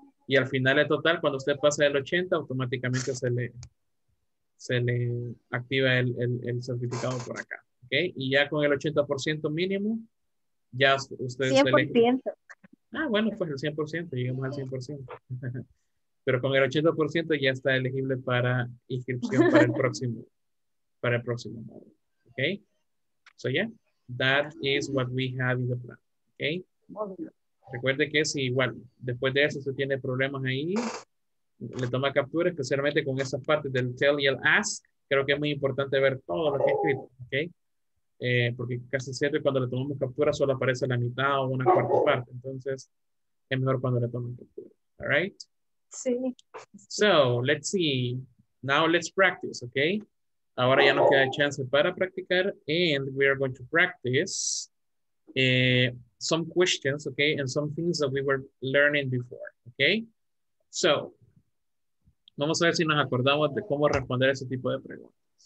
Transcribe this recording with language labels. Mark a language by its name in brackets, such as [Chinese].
[Spanish] Y al final el total, cuando usted pasa del 80, automáticamente se le activa el certificado por acá. ¿Okay? Y ya con el 80% mínimo, ya usted... 100%. Ah, bueno, pues el 100%, llegamos al 100%. Pero con el 80% ya está elegible para inscripción para el próximo. Para el próximo módulo. ¿Ok? So, yeah. [English] That is what we have in the plan. ¿Ok? [Spanish] Recuerde que es igual, después de eso usted tiene problemas ahí, le toma captura, especialmente con esas partes del tell y el ask, creo que es muy importante ver todo lo que ha escrito, ¿ok? Porque casi siempre cuando le tomamos captura solo aparece la mitad o una cuarta parte, entonces es mejor cuando le toman captura, ¿all right? Sí. [English] So, let's see, now let's practice, ¿ok? [Spanish] Ahora ya nos queda chance para practicar, [English] and we are going to practice some questions, okay, and some things that we were learning before, okay? [Spanish] So, vamos a ver si nos acordamos de cómo responder ese tipo de preguntas.